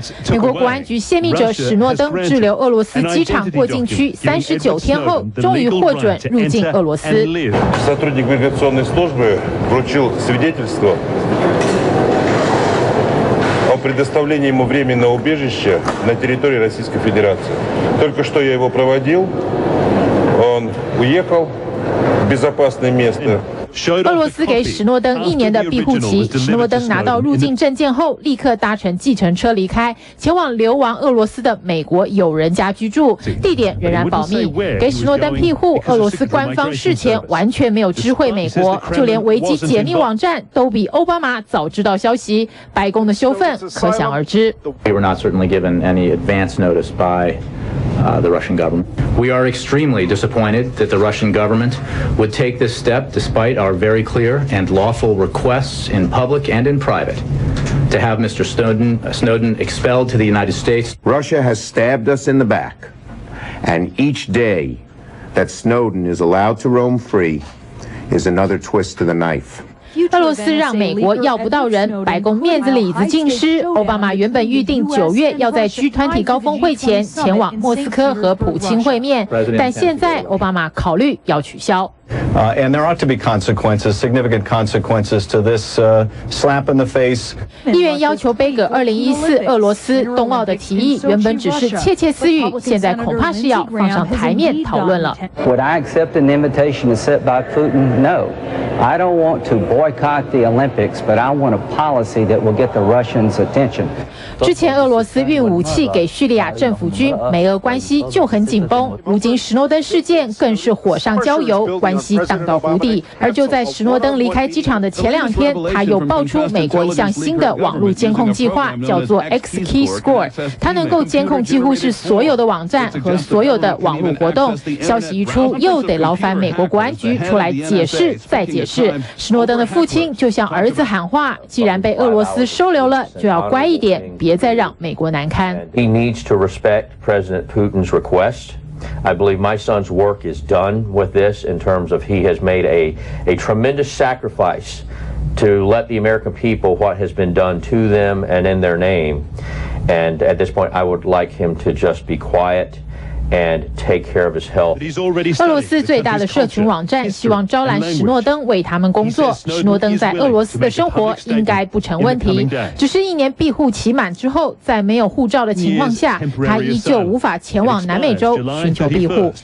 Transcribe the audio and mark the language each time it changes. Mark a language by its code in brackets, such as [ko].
[zh] 美国国安局泄密者史诺登滞留俄罗斯机场过境区39天后，终于获准入境俄罗斯。 [ru] сотрудник миграционной службы вручил свидетельство о предоставлении ему временного убежища на территории Российской Федерации. Только что я его проводил, он уехал в безопасное место. [zh] 俄罗斯给史诺登一年的庇护期，史诺登拿到入境证件后立刻搭乘计程车离开，前往流亡俄罗斯的美国友人家居住，地点仍然保密。给史诺登庇护，俄罗斯官方事前完全没有知会美国，就连维基解密网站都比奥巴马早知道消息，白宫的羞愤可想而知。 [en] The Russian government. We are extremely disappointed that the Russian government would take this step despite our very clear and lawful requests in public and in private to have Mr. Snowden expelled to the United States. Russia has stabbed us in the back, and each day that Snowden is allowed to roam free is another twist to the knife. [zh] 俄罗斯让美国要不到人，白宫面子里子尽失。奥巴马原本预定九月要在 G20 高峰会前前往莫斯科和普京会面，但现在奥巴马考虑要取消。 [en] And there ought to be consequences, significant consequences to this slap in the face. [zh] 议员要求杯葛2014俄罗斯冬奥的提议，原本只是窃窃私语，现在恐怕是要放上台面讨论了。 [en] Would I accept an invitation to sit by Putin? No, I don't want to boycott the Olympics, but I want a policy that will get the Russians' attention. [zh] 之前俄罗斯运武器给叙利亚政府军，美俄关系就很紧绷。如今史诺登事件更是火上浇油。关系荡到谷底，而就在史诺登离开机场的前两天，他又爆出美国一项新的网络监控计划，叫做 X Key Score， 它能够监控几乎是所有的网站和所有的网络活动。消息一出，又得劳烦美国国安局出来解释再解释。史诺登的父亲就向儿子喊话：既然被俄罗斯收留了，就要乖一点，别再让美国难堪。 [en] He needs to respect President Putin's request. I believe my son's work is done with this in terms of he has made a tremendous sacrifice to let the American people what has been done to them and in their name. And at this point, I would like him to just be quiet and take care of his health. [zh] 俄罗斯最大的社群网站希望招揽史诺登为他们工作。史诺登在俄罗斯的生活应该不成问题，只是一年庇护期满之后，在没有护照的情况下，他依旧无法前往南美洲寻求庇护。